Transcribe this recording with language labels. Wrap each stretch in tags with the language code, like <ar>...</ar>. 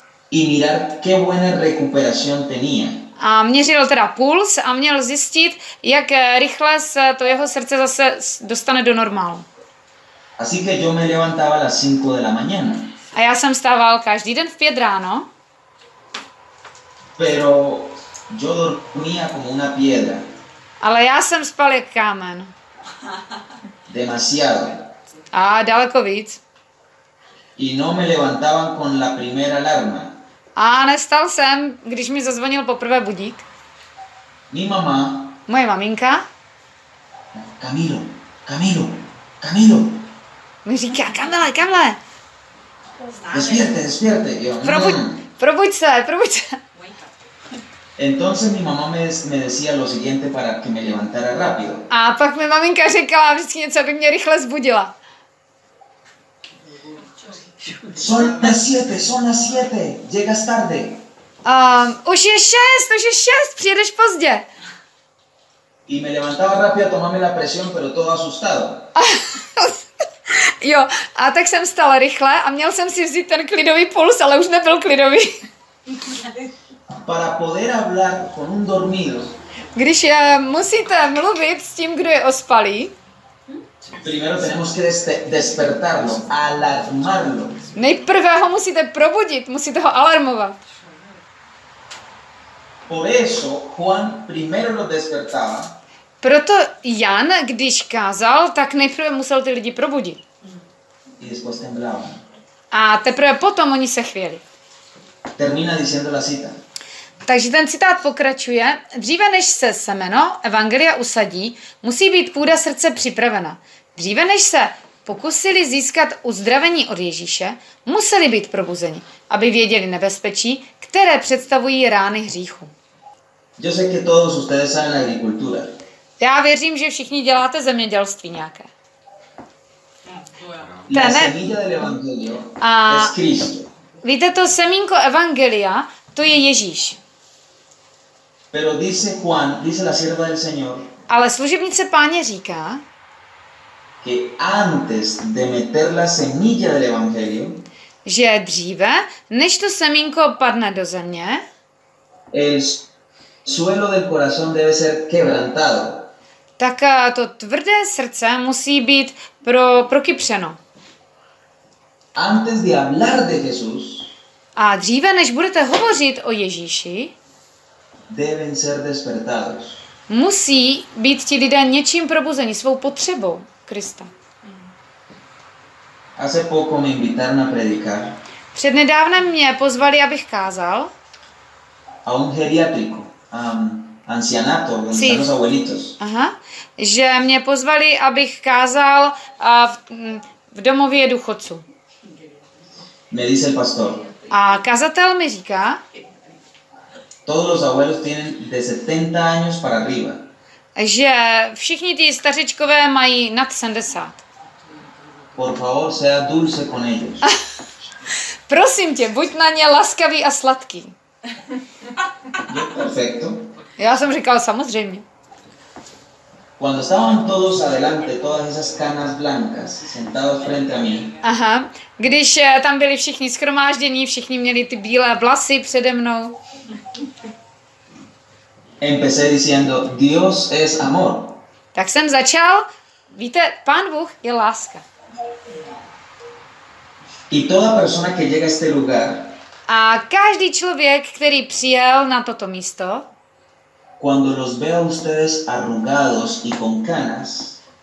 <es>Y mirar qué buena recuperación tenía.</es> <cs>A měřil teda puls a měl zjistit, jak rychle se to jeho srdce zase dostane do normálu.</cs> <es>Así que yo me levantaba a las 5 de la mañana.</es> <cs>A já jsem vstával každý den v 5 ráno.</cs> <es>Pero yo dormía como una piedra.</es> <cs>Ale já jsem spal jak kámen.</cs> <es>Demasiado.</es> <cs>A daleko víc.</cs> <es>Y no me levantaban con la primera alarma.</es> <cs>A nestal jsem, když mi zazvonil poprvé budík.</cs> <es>Mi mama.</es> <cs>Moje maminka.</cs> <es>Camilo, Camilo, Camilo.</es> <cs>Mi říká, Kamile, Kamile.</cs> <es>Despierte, despierte.</es> <cs>Probuď se, probuď se.</cs> <es>Entonces mi mamá me decía lo siguiente para que me levantara rápido.</es> <cs>A pak mi maminka říkala vždycky něco, aby mě rychle zbudila.</cs> <es>Son las siete, llegas tarde.</es> <cs>Už je šest, přijedeš pozdě.</cs> <es>Y me levantaba rápido a tomarme la presión, pero todo asustado.</es> <cs>Jo, a tak jsem stala rychle a měl jsem si vzít ten klidový puls, ale už nebyl klidový.</cs> <es>Para poder hablar con un dormido.</es> <cs>Když musíte mluvit s tím, kdo je ospalý.</cs> <es>Primero tenemos que despertarlo, alarmarlo.</es> <cs>Nejprve ho musíte probudit, musíte ho alarmovat.</cs> <es>Por eso Juan primero lo despertaba.</es> <cs>Proto Jan, když kázal, tak nejprve musel ty lidi probudit.</cs> <es>Y después temblaban.</es> <cs>A teprve potom oni se chvěli.</cs> <es>Termina diciendo la cita.</es> <cs>Takže ten citát pokračuje. Dříve než se semeno evangelia usadí, musí být půda srdce připravena. Dříve než se pokusili získat uzdravení od Ježíše, museli být probuzeni, aby věděli nebezpečí, které představují rány hříchu.</cs> <es>Yo sé que todos ustedes saben agricultura.</es> <cs>Já věřím, že všichni děláte zemědělství nějaké.</cs> <es>La semilla del evangelio es Cristo.</es> <cs>Víte, to semínko evangelia, to je Ježíš.</cs> <es>Pero dice Juan, dice la sierva del Señor.</es> <cs>Ale služebnice Páně říká,</cs> <es>que antes de meter la semilla del evangelio,</es> <cs>že dříve, než to semínko padne do země,</cs> <es>el Suelo del corazón debe ser quebrantado.</es> <cs>Tak to tvrdé srdce musí být prokypřeno.</cs> <es>Antes de hablar de Jesús.</es> <cs>A dříve než budete hovořit o Ježíši,</cs> <es>deben ser despertados.</es> <cs>Musí být ti lidé něčím probuzeni svou potřebou Krista.</cs> <es>Hace poco me invitaron a predicar.</es> <cs>Přednedávnem mě pozvali, abych kázal.</cs> <es>A un geriátrico. Ancianato, sí. Los abuelitos. Aha.</es> <cs>Že mě pozvali, abych kázal v domově důchodců.</cs> <es>Me dice el pastor.</es> <cs>A kazatel mi říká.</cs> <es>Todos los abuelos tienen de 70 años para arriba.</es> <cs>Že všichni ti stařičkové mají nad 70.</cs> <es>Por favor, sea dulce con ellos.</es> <cs>Prosím tě, buď na ně laskavý a sladký.</cs> <es>Perfecto.</es> <cs>Já jsem říkal samozřejmě.</cs> <es>Cuando estaban todos adelante, todas esas canas blancas, sentados frente a mí.</es> <cs>Aha, když tam byli všichni shromáždění, všichni měli ty bílé vlasy přede mnou.</cs> <es>Empecé diciendo, Dios es amor.</es> <cs>Tak jsem začal, víte, Pán Bůh je láska.</cs> <es>Y toda persona que llega a este lugar.</es> <cs>A každý člověk, který přijel na toto místo,</cs> <es>cuando los veo a ustedes arrugados y con canas,</es>